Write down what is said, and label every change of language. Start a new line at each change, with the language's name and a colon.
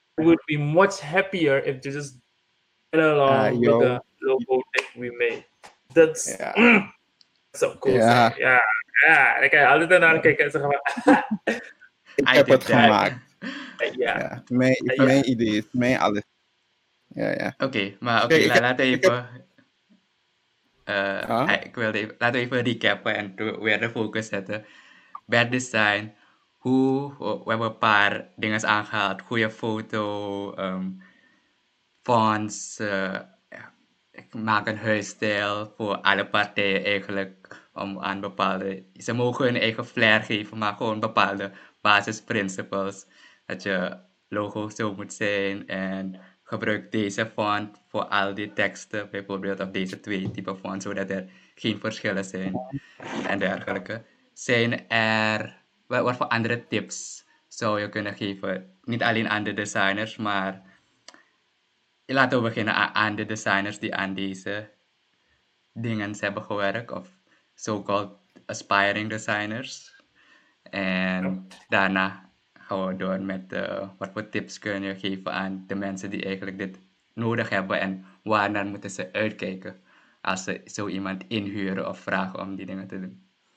English: I would be much happier if you just get along with the logo that we made. That's so cool. Yeah.
Dutch: Ik heb altijd naar kijken en zeggen van. Ik heb het gemaakt. Ja. Mijn idee is, mijn alles. Ja. Oké, laten we even. Ik wilde even. Laten we even recappen en weer de focus zetten. Bad design. Hoe, we hebben een paar dingen aangehaald. Goede foto, fonts, ik maak een huisstijl voor alle partijen eigenlijk. Om aan bepaalde, ze mogen hun eigen flair geven, maar gewoon bepaalde basisprincipes. Dat je logo zo moet zijn en gebruik deze font voor al die teksten. Bijvoorbeeld of deze twee type fonts, zodat er geen verschillen zijn en dergelijke. Zijn er... Wat voor andere tips zou je kunnen geven? Niet alleen aan de designers, maar laten we beginnen aan de designers die aan deze dingen hebben gewerkt.
English: Of so-called aspiring designers.
Dutch: En daarna gaan we door met wat voor tips kun je geven aan de mensen die eigenlijk dit nodig hebben. En waarnaar moeten ze uitkijken als ze zo iemand inhuren of vragen om die dingen te doen.